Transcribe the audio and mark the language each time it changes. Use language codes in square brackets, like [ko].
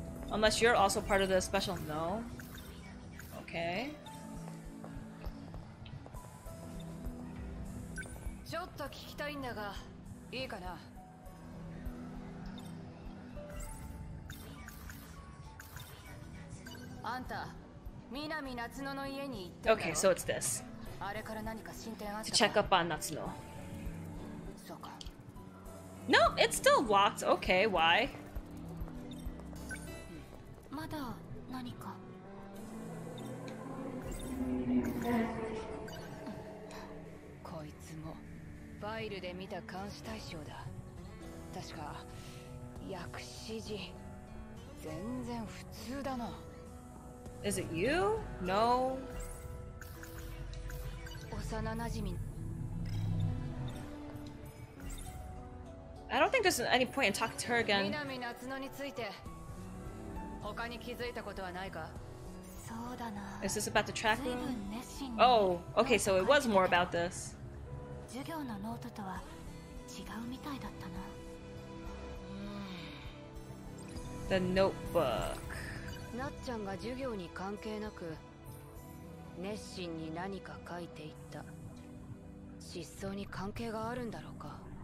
[en] Unless you're also part of the special, no. Okay. [ja] と聞きたいんだが、いいかな。あんた、南夏野の家に行ったの？ [en] Okay, so it's this. [ja] あれから何か進展あったか？ [en] To check up on 夏野。 [ja] そうか。 [en] No, it's still locked. Okay, why? [ja] まだ何か。こいつもファイルで見た監視対象だ。確か薬師寺。全然普通だな。 [en] Is it you? No. [ja] 幼馴染。 [en] I don't think there's any point in talking to her again. [ja] 南夏野について他に気づいたことはないか？そうだな。 [en] Is this about the tracking? [ja] 随分熱心に。 [en] Oh, okay, so it was more about this. [ja] 授業のノートとは違うみたいだったな。 [en] The notebook. [ja] なっちゃんが授業に関係なく熱心に何か書いていった。失踪に関係があるんだろうか？